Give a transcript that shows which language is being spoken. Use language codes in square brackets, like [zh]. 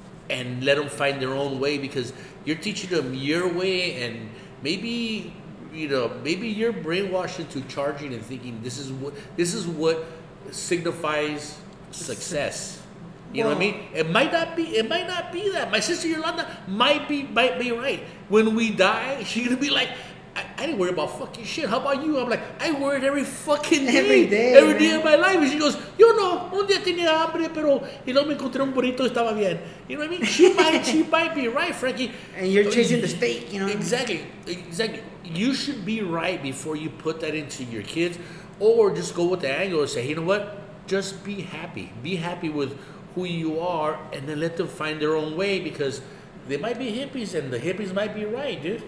[en] And let them find their own way, because you're teaching them your way, and maybe, you know, maybe you're brainwashed into charging and thinking this is what signifies success. You know what I mean? It might not be that. My sister Yolanda might be right. When we die, she's gonna be like, I didn't worry about fucking shit. How about you? I'm like, I worried every fucking day. Every day of my life. And she goes, [es] yo no, un día tenía hambre, pero y luego me encontré un burrito, estaba bien. [en] You know what I mean? She might be right, Frankie. And you're chasing the steak, you know? Exactly. You should be right before you put that into your kids, or just go with the angle and say, you know what? Just be happy. Be happy with who you are, and then let them find their own way, because they might be hippies, and the hippies might be right, dude.